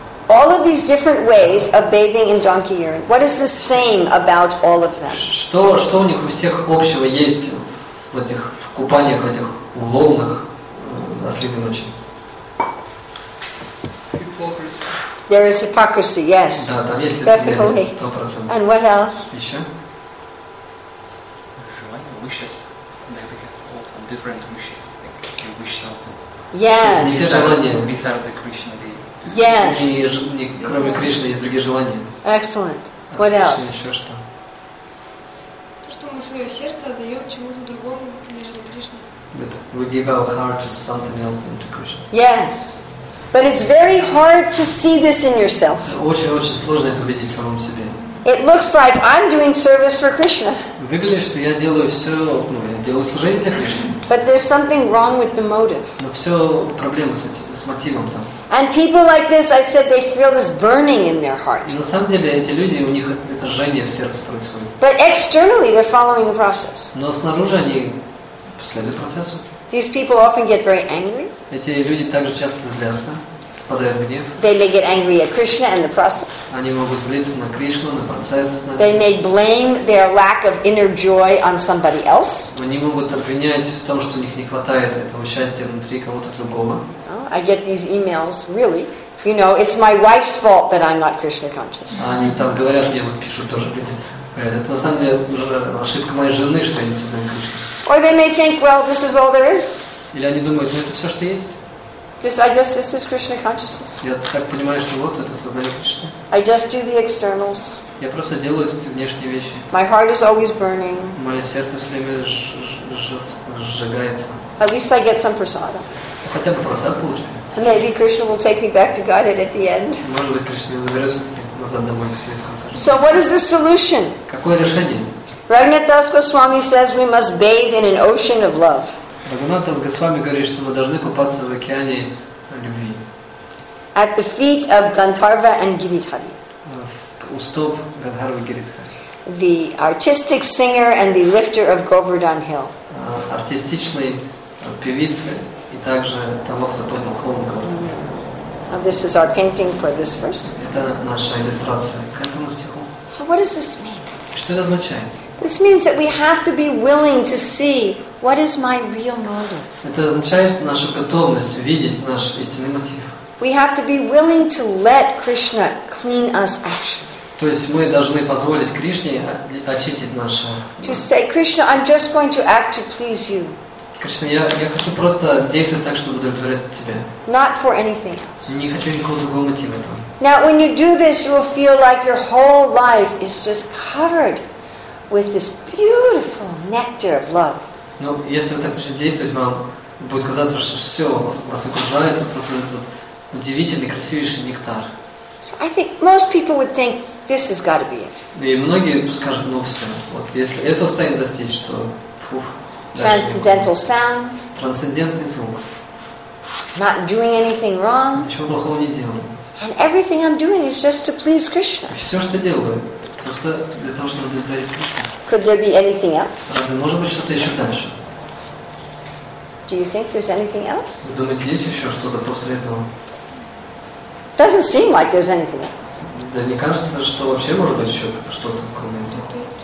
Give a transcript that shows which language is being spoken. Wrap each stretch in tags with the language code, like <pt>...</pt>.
<en>All of these different ways of bathing in donkey urine. What is the same about all of them?</en> <ru>Что у них у всех общего есть в этих в купаниях, в этих волнах ослиной ночи?</ru> <en>There is hypocrisy, yes.</en> <ru>Да, там есть</ru> <en>definitely. 100%. And what else?</en> <ru>Еще? Желание,</ru> <en>wishes. Maybe we have all some different wishes. Like, you wish something. Yes.</en> <ru>Не все желания.</ru> <en>Beside the Krishna. Yes.</en> <ru>Не кроме Кришны есть другие желания.</ru> <en>Excellent. What else?</en> <ru>Еще что? То, что мы свое сердце отдаем чему-то другому, нежели Кришне.</ru> <en>We give our heart to something else than to Krishna. Yes. But it's very hard to see this in yourself.</en> <ru>Очень-очень сложно это увидеть в самом себе.</ru> <en>It looks like I'm doing service for Krishna.</en> <ru>Выглядит, что я делаю все, ну, я делаю служение для Кришны.</ru> <en>But there's something wrong with the motive.</en> <ru>Но все проблемы с этим, с мотивом там.</ru> <en>And people like this, I said, they feel this burning in their heart.</en> <ru>На самом деле, эти люди, у них это жжение в сердце происходит.</ru> <en>But externally, they're following the process.</en> <ru>Но снаружи они следуют процессу.</ru> <en>These people often get very angry.</en> <ru>Эти люди также часто злятся, впадают в гнев.</ru> <en>They may get angry at Krishna and the process.</en> <ru>Они могут злиться на Кришну, на процесс.</ru> <en>They may blame their lack of inner joy on somebody else.</en> <ru>Они могут обвинять в том, что у них не хватает этого счастья внутри кого-то другого.</ru> <en>I get these emails, really. You know, it's my wife's fault that I'm not Krishna conscious.</en> <ru>Они там говорят мне, вот пишут тоже люди. Это на самом деле ошибка моей жены, что я не сознаю Кришну.</ru> <en>Or they may think, well, this is all there is.</en> <ru>Или они думают, ну это все, что есть.</ru> <en>This, I guess, this is Krishna consciousness.</en> <ru>Я так понимаю, что вот это сознание Кришны.</ru> <en>I just do the externals.</en> <ru>Я просто делаю эти внешние вещи.</ru> <en>My heart is always burning.</en> <ru>Мое сердце все время сжигается.</ru> <en>At least I get some prasada.</en> <ru>Хотя бы просад получаю.</ru> <en>And maybe Krishna will take me back to Godhead at the end.</en> <ru>Может быть, Кришна меня заберет назад домой к себе в конце.</ru> <en>So what is the solution?</en> <ru>Какое решение?</ru> <en>Raghunath Das Goswami says we must bathe in an ocean of love.</en> <ru>Raghunath Das Goswami говорит, что мы должны купаться в океане любви.</ru> <en>At the feet of Gandharva and Giridhari.</en> <ru>У стоп Гандхарвы и Гиридхари.</ru> <en>The artistic singer and the lifter of Govardhan Hill.</en> <ru>Артистичный певица и также того, кто поднял холм Говардхан.</ru> <en>And this is our painting for this verse.</en> <ru>Это наша иллюстрация к этому стиху.</ru> <en>So what does this mean?</en> <ru>Что это означает?</ru> <en>This means that we have to be willing to see what is my real motive.</en> <ru>Это означает наша готовность видеть наш истинный мотив.</ru> <en>We have to be willing to let Krishna clean us actually.</en> <ru>То есть мы должны позволить Кришне очистить наше.</ru> <en>To say, Krishna, I'm just going to act to please you.</en> <ru>Кришна, я хочу просто действовать так, чтобы удовлетворять тебя.</ru> <en>Not for anything else.</en> <ru>Не хочу никакого другого мотива там.</ru> <en>Now, when you do this, you will feel like your whole life is just covered with this beautiful nectar of love.</en> <ru>Ну, если вы так начнете действовать, вам будет казаться, что все вас окружает, просто этот удивительный, красивейший нектар.</ru> <en>So I think most people would think this has got to be it.</en> <ru>И многие скажут, ну все, вот если это станет достичь, то фух.</ru> <en>Transcendental sound.</en> <ru>Трансцендентный звук.</ru> <en>Not doing anything wrong.</en> <ru>Ничего плохого не делаю.</ru> <en>And everything I'm doing is just to please Krishna.</en> <ru>Все, что делаю, просто для того, чтобы удовлетворить Кришну.</ru> <en>Could there be anything else?</en> <ru>Разве может быть что-то еще дальше?</ru> <en>Do you think there's anything else?</en> <ru>Вы думаете, есть еще что-то после этого?</ru> <en>Doesn't seem like there's anything else.</en> <ru>Да не кажется, что вообще может быть еще что-то, кроме этого?</ru>